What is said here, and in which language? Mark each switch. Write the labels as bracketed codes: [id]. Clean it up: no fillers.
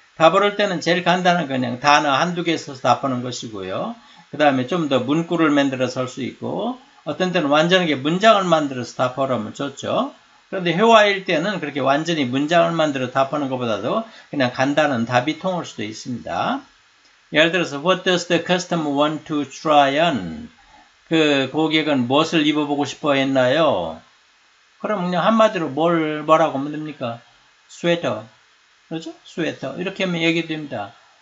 [ko] 답을 할 때는 제일 간단한 건 그냥 단어 한두 개 써서 답하는 것이고요. 그 다음에 좀더 문구를 만들어서 할수 있고 어떤 때는 완전하게 문장을 만들어서 답하라면 좋죠. 그런데 회화일 때는 그렇게 완전히 문장을 만들어 답하는 것보다도 그냥 간단한 답이 통할 수도 있습니다. [en] 예를 들어서, What does the customer want to try on? [ko] 그 고객은 무엇을 입어보고 싶어 했나요? 그럼 그냥 한마디로 뭐라고 하면 됩니까? 스웨터. 그렇죠? 스웨터. 이렇게 하면 얘기 됩니다.